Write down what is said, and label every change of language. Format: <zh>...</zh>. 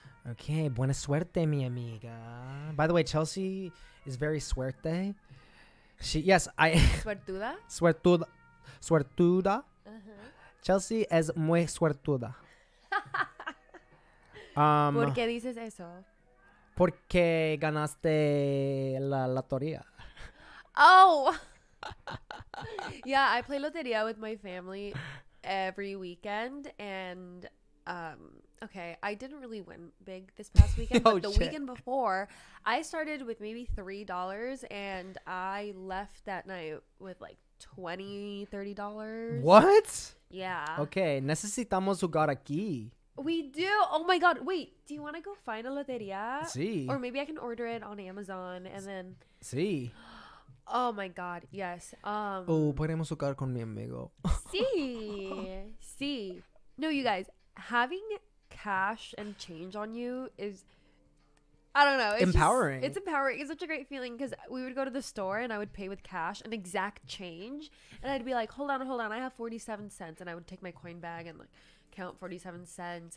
<es>Okay, buena suerte, mi amiga.</es> <en>By the way, Chelsea is very suerte.</en> <es>Suertuda? Suertuda. Uh-huh. Chelsea es muy suertuda. ¿Por qué dices eso? Porque ganaste la lotería. Oh!</es> <en>Yeah, I play lotería with my family every weekend, and I didn't really win big this past weekend, but the weekend before, I started with maybe $3 and I left that night with like $20-$30. What? Yeah.</en> <es>Okay, necesitamos jugar aquí.</es> <en>We do. Oh my god, wait, do you want to go find a loteria?</en> <es>Sí.</es> <en>Or maybe I can order it on Amazon and then</en> <es>sí.</es> <en>Oh my god, yes.</en> <es>Podemos jugar con mi amigo. Sí.</es> <en>No, you guys, having cash and change on you is, I don't know. It's empowering. It's empowering. It's such a great feeling, because we would go to the store and I would pay with cash and exact change. And I'd be like, hold on. I have 47 cents. And I would take my coin bag and like count 47 cents.</en>